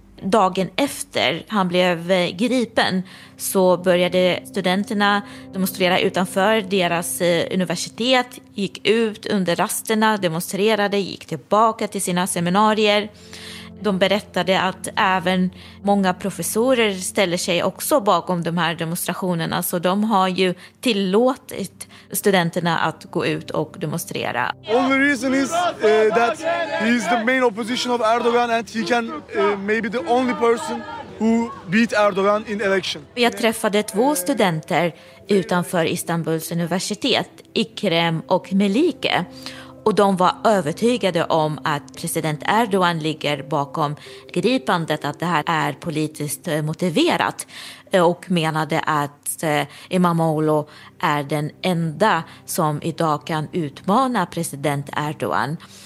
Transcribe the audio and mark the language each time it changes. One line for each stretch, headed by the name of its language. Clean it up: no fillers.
Swedish: Dagen efter han blev gripen så började studenterna demonstrera utanför deras universitet, gick ut under rasterna, demonstrerade, gick tillbaka till sina seminarier. De berättade att även många professorer ställer sig också bakom de här demonstrationerna, så de har ju tillåtit studenterna att gå ut och demonstrera.
English: Only reason is that he is the main opposition of Erdogan and he can maybe the only person who beat Erdogan in election.
Swedish: Jag träffade två studenter utanför Istanbuls universitet, Ikrem och Melike. Och de var övertygade om att president Erdogan ligger bakom gripandet, att det här är politiskt motiverat, och menade att Imam Olo är den enda som idag kan utmana president Erdogan.